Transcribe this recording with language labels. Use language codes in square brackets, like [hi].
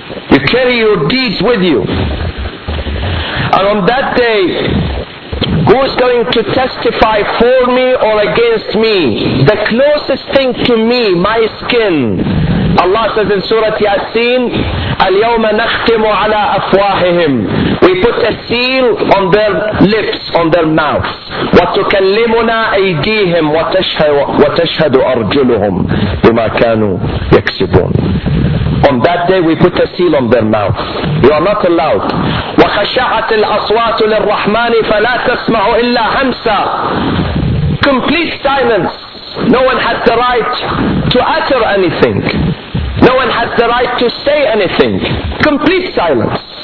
[en] You carry your deeds with you. And on that day, who is going to testify for me or against me? The closest thing to me, my skin. Allah says in Surah Yasin, [ar] اليوم نختم على أفواههم. [en] We put a seal on their lips, on their mouths. [ar] وتكلمنا أيديهم وتشهد أرجلهم بما كانوا يكسبون. [en] On that day we put a seal on their mouth. You are not allowed. [ar] وَخَشَعَتِ الْأَصْوَاتُ لِلرَّحْمَنِ فَلَا تَسْمَعُ إِلَّا هَمْسًا. [en] Complete silence. No one has the right to utter anything. No one has the right to say anything. Complete silence.